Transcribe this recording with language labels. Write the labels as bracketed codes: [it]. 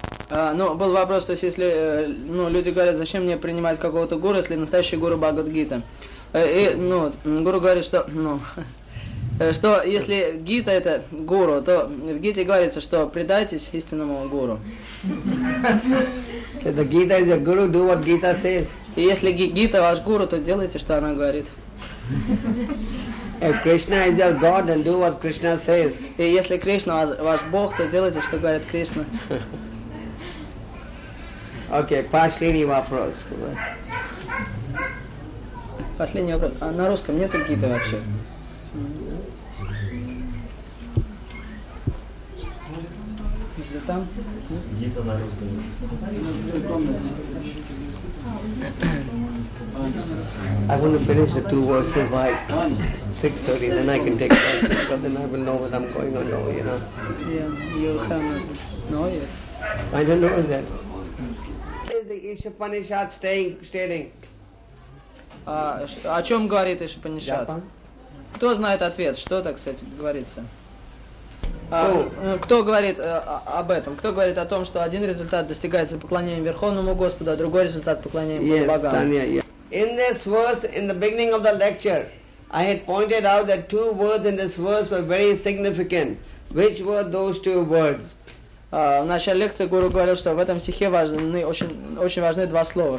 [ru] Был вопрос, то есть если люди говорят, зачем мне принимать какого-то гуру, если настоящий гуру Бхагавад-гита. Гуру говорит, что, что если Гита это гуру, то в Гите говорится, что предайтесь истинному гуру. [en] So the Gita is a guru, do what Gita says. [ru] И если Гита ваш гуру, то делайте, что она говорит. [en] If Krishna is your God, then do what Krishna says. [ru] И если Кришна ваш Бог, то делайте, что говорит Кришна. Окей, последний вопрос. Последний вопрос. А на русском нету какие-то вообще? [en] I want to finish the two verses by 6:30, then I can take time, but then I will know what I'm going on now, you know. Yeah, you haven't know yet. I don't know that. Ишапанишат stating. [ru] О чем говорит Ишапанишат? Кто знает ответ? Что так, кстати, говорится? Кто говорит об этом? Кто говорит о том, что один результат достигается поклонением Верховному Господу, а другой результат поклонением Богам? [en] Yes, Tanya, yes. In this verse, in the beginning of the lecture, I had pointed out that two words in this verse were very significant. Which were those two words? [ru] В начале лекции гуру говорил, что в этом стихе важны, очень важны два слова.